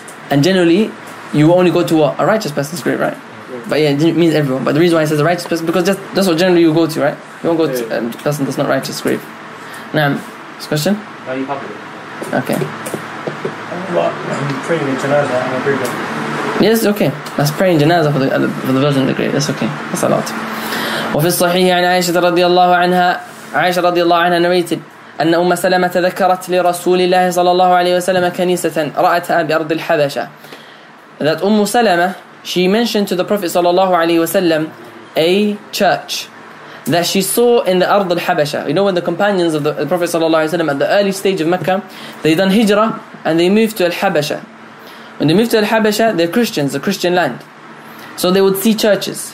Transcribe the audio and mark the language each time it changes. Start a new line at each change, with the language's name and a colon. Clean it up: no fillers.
English: And generally you only go to a righteous person's grave, right? But yeah, it means everyone. But the reason why it says a righteous person, because that's what generally you go to, right? You won't go to a person that's not righteous grave. Now, next question? Are you happy? Okay. I'm praying in janazah, I'm agreeable. Yes, okay. That's praying in janazah for the version of the grave. That's okay. That's a lot.
Arabic: وفي الصحيح عن عائشة رضي الله عنها عائشة رضي الله عنها narrated أن أم سلمة ذكرت لرسول الله صلى الله عليه وسلم كنيسة رأتها بأرض الحبشة.
English: That أم سلمة, she mentioned to the Prophet sallallahu alaihi wasallam a church that she saw in the Ard al-Habasha. You know, when the companions of the Prophet sallallahu alaihi wasallam at the early stage of Mecca, they done hijrah and they moved to al-Habasha. When they moved to al-Habasha, they're Christians, a Christian land. So they would see churches.